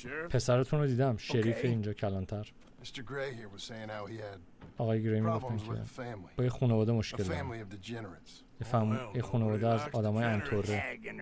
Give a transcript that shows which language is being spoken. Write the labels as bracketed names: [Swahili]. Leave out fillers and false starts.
[Persian] پسرتون رو دیدم، شریف اینجا کلانتر. [English] Mr. Gray here was saying how he had problems with family. [Persian] با یه خانواده مشکل داره. [English] Family of degenerates. [Persian] یه خانواده از آدمای انطوره.